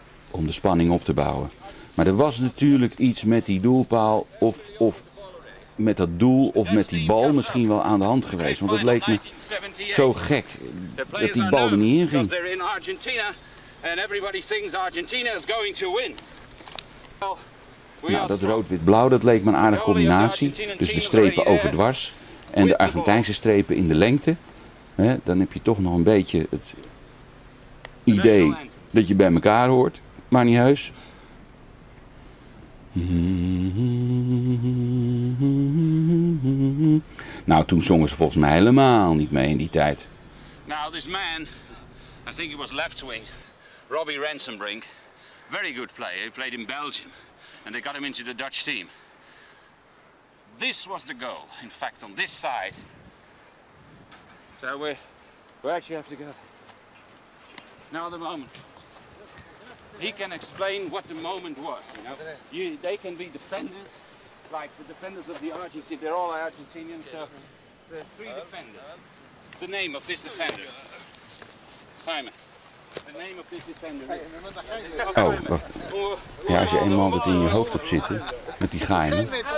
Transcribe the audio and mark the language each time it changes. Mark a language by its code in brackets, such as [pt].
[nl] Om de spanning op te bouwen. Maar er was natuurlijk iets met die doelpaal of met dat doel of met die bal misschien wel aan de hand geweest. Want het leek me zo gek dat die bal er niet in ging. [en] They're in Argentina and everybody thinks Argentina is going to win. [nl] Nou, dat rood-wit-blauw, dat leek me een aardige combinatie. Dus de strepen overdwars. En de Argentijnse strepen in de lengte, hè, dan heb je toch nog een beetje het idee dat je bij elkaar hoort, maar niet heus. Nou, toen zongen ze volgens mij helemaal niet mee in die tijd. [en] Now this man, I think he was left wing, Robbie Rensenbrink, very good player, he played in Belgium, and they got him into the Dutch team. This was the goal, in fact, on this side. So we actually have to go. Now the moment. He can explain what the moment was. You know, they can be defenders, like the defenders of the Argentine. They're all Argentinian, so there are three defenders. The name of this defender. Simon. The name of this defender is... [nl] Oh, wacht. Ja, als je eenmaal dat in je hoofd hebt zitten, met die geheimen.